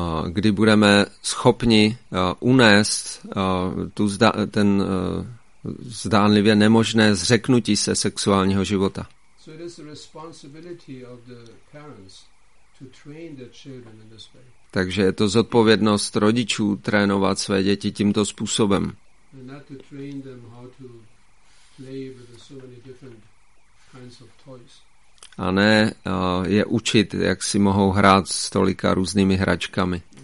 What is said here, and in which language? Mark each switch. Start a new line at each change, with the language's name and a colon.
Czech: Kdy budeme schopni unést ten zdánlivě nemožné zřeknutí se sexuálního života.
English: So it is the responsibility of the parents to train their children in this way.
Czech: Takže je to zodpovědnost rodičů trénovat své děti tímto způsobem.
English: And not to train them how to play with so many different kinds of toys.
Czech: A ne je učit, jak si mohou hrát s tolika různými hračkami.